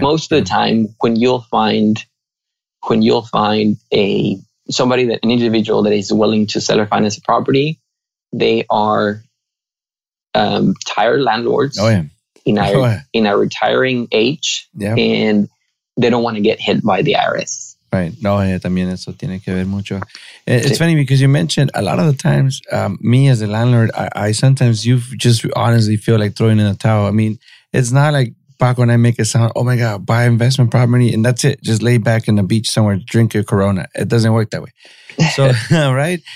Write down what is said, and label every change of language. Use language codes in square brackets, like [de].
[en] Most of the time, when you'll find an individual that is willing to seller finance a property, they are tired landlords. Oh yeah. In a retiring age. Yeah. And they don't want to get hit by the IRS. Right. [es] No, también eso tiene que ver mucho. [en] It's funny because you mentioned a lot of the times, me as a landlord, I sometimes you just honestly feel like throwing in a towel. I mean, it's not like Paco and I make it sound, oh my God, buy investment property and that's it. Just lay back in the beach somewhere, drink your Corona. It doesn't work that way. So, right?